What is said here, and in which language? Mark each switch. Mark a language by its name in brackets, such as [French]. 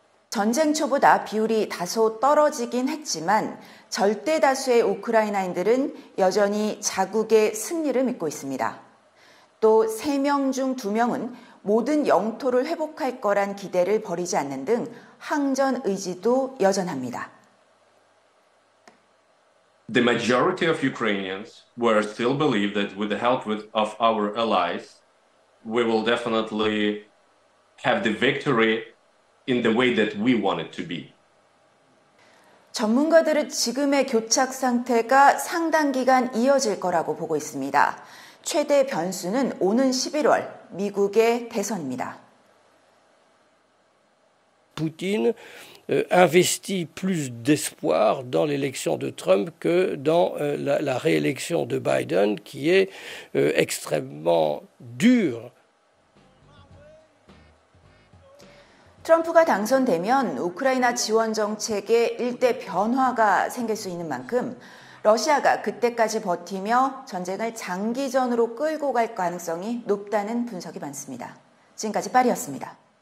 [Korean] 전쟁 초보다 비율이 다소 떨어지긴 했지만 절대 다수의 우크라이나인들은 여전히 자국의 승리를 믿고 있습니다. 또 3명 중 2명은 모든 영토를 회복할 거란 기대를 버리지 않는 등 항전 의지도 여전합니다. [English] The majority of Ukrainians were still believe that with the help of our allies, we will definitely have the victory in the way that we want it to be. [Korean] 전문가들은 지금의 교착 상태가 상당 기간 이어질 거라고 보고 있습니다. 최대 변수는 오는 11월 미국의 대선입니다. [French] 푸틴 investit plus d'espoir dans l'élection de Trump que dans la réélection de Biden qui est extrêmement dur. [Korean] 트럼프가 당선되면 우크라이나 지원 정책에 일대 변화가 생길 수 있는 만큼 러시아가 그때까지 버티며 전쟁을 장기전으로 끌고 갈 가능성이 높다는 분석이 많습니다. 지금까지 파리였습니다.